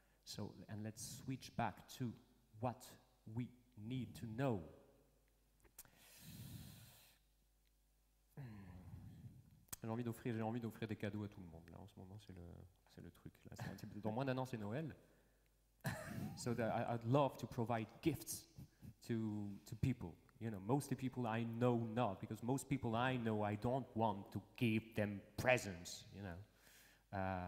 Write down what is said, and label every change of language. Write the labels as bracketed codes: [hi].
[en] So, and let's switch back to what we need to know. [fr] J'ai envie d'offrir des cadeaux à tout le monde. Là, en ce moment, c'est le truc. Là, c'est un type de, dans moins d'un an, c'est Noël. [en] So that I'd love to provide gifts to people. You know, mostly people I know not, because most people I know, I don't want to give them presents, you know.